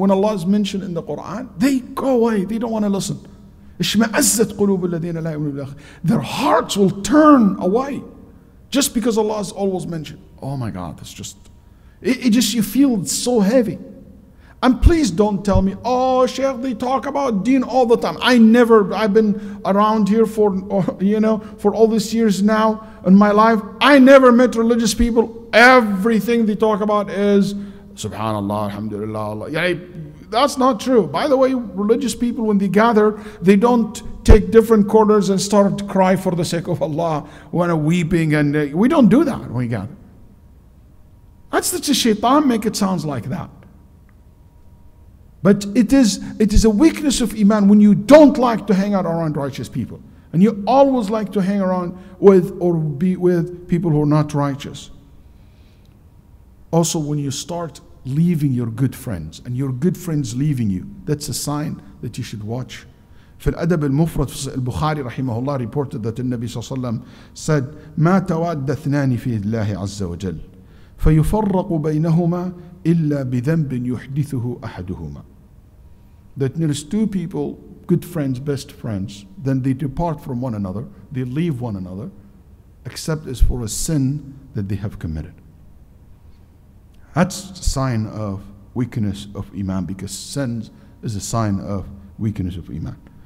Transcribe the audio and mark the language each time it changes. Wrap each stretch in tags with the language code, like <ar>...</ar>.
<en>When Allah is mentioned in the Quran, they go away, they don't want to listen.</en> <ar>اشمأزت قلوب الذين لا يؤمنون بالآخرة.</ar> <en>Their hearts will turn away just because Allah is always mentioned. Oh my God, it's just, it just, you feel so heavy. And please don't tell me, oh, Shaykh, they talk about deen all the time. I've been around here for, you know, for all these years now in my life. I never met religious people. Everything they talk about is Subhanallah, Alhamdulillah, Allah. Yeah, that's not true. By the way, religious people, when they gather, they don't take different corners and start to cry for the sake of Allah when weeping. And we don't do that when we gather. That's the shaitan make it sounds like that. But it is a weakness of Iman when you don't like to hang out around righteous people. And you always like to hang around with or be with people who are not righteous. Also, when you start leaving your good friends and your good friends leaving you, that's a sign that you should watch.</en> <ar>في الأدب المفرد في البخاري رحمه الله</ar> <en>reported that</en> <ar>النبي صلى الله عليه وسلم</ar> <en>said</en> <ar>ما تواد اثنان في الله عز وجل فيفرق بينهما إلا بذنب يحدثه أحدهما.</ar> <en>That there's two people, good friends, best friends, then they depart from one another, they leave one another, except as for a sin that they have committed. That's a sign of weakness of Iman, because sin is a sign of weakness of Iman.</en>